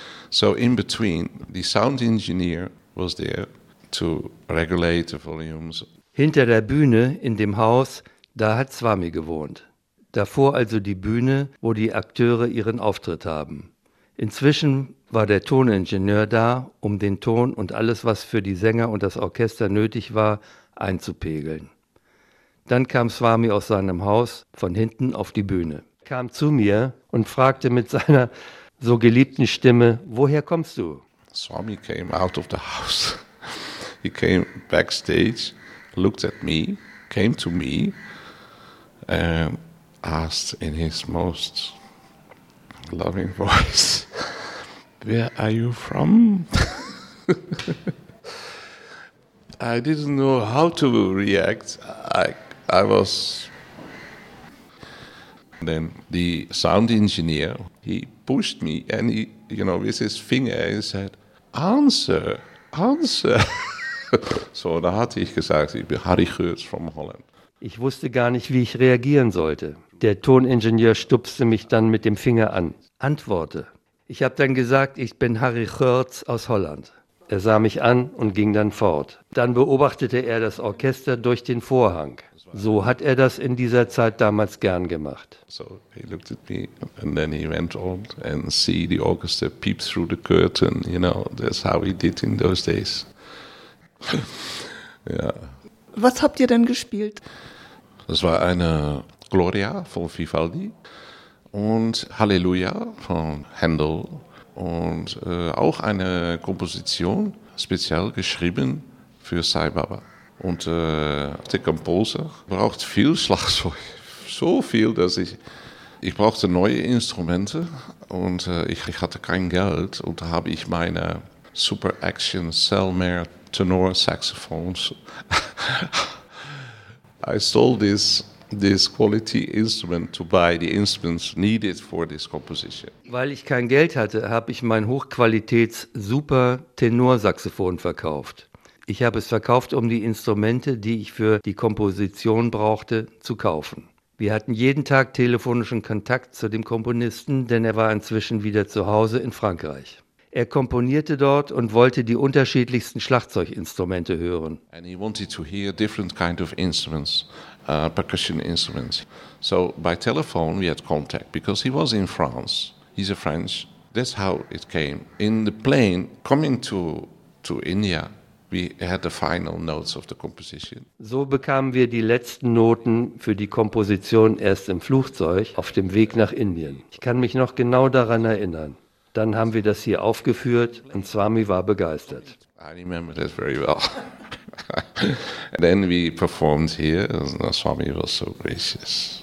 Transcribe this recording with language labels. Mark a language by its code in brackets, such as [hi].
[en] So in between, the sound engineer was there to regulate the volumes. [de] Hinter der Bühne in dem Haus, da hat Swami gewohnt. Davor also die Bühne, wo die Akteure ihren Auftritt haben. Inzwischen war der Toningenieur da, um den Ton und alles, was für die Sänger und das Orchester nötig war, einzupegeln. Dann kam Swami aus seinem Haus von hinten auf die Bühne, kam zu mir und fragte mit seiner so geliebten Stimme, woher kommst du? [en] Swami came out of the house. He came backstage, looked at me, came to me and asked in his most loving voice, where are you from? I didn't know how to react. I was... And then the sound engineer, he pushed me and he, you know, with his finger and said, answer, answer. [de] So, da hatte ich gesagt, ich bin Harry Geurts [en] from Holland. [de] Ich wusste gar nicht, wie ich reagieren sollte. Der Toningenieur stupste mich dann mit dem Finger an. Antworte. Ich habe dann gesagt, ich bin Harry Geurts aus Holland. Er sah mich an und ging dann fort. Dann beobachtete er das Orchester durch den Vorhang. So hat er das in dieser Zeit damals gern gemacht. [en] So he looked at me and then he went on and see the orchestra peep through the curtain. You know, that's how he did in those days. [de] Ja. Was habt ihr denn gespielt? Das war eine Gloria von Vivaldi. Und Halleluja von Händel und auch eine Komposition speziell geschrieben für Sai Baba. Und der Composer braucht viel Schlagzeug. So viel, dass ich brauchte neue Instrumente und ich hatte kein Geld. Und da habe ich meine Super Action Selmer Tenor Saxophones. [en] I stole this quality instrument to buy the instruments needed for this composition. [de] Weil ich kein Geld hatte, habe ich mein Hochqualitäts Super Tenor Saxophon verkauft. Ich habe es verkauft, um die Instrumente, die ich für die Komposition brauchte, zu kaufen. Wir hatten jeden Tag telefonischen Kontakt zu dem Komponisten, denn er war inzwischen wieder zu Hause in Frankreich. Er komponierte dort und wollte die unterschiedlichsten Schlagzeuginstrumente hören. [en] And he wanted to hear different kind of instruments, percussion instruments. So by telephone we had contact because he was in France. He's a French. That's how it came. In the plane coming to India. We had the final notes of the composition. [de] So bekamen wir die letzten Noten für die Komposition erst im Flugzeug auf dem Weg nach Indien. Ich kann mich noch genau daran erinnern. Dann haben wir das hier aufgeführt und Swami war begeistert. [en] I remember that very well. And then we performed here and Swami was so gracious.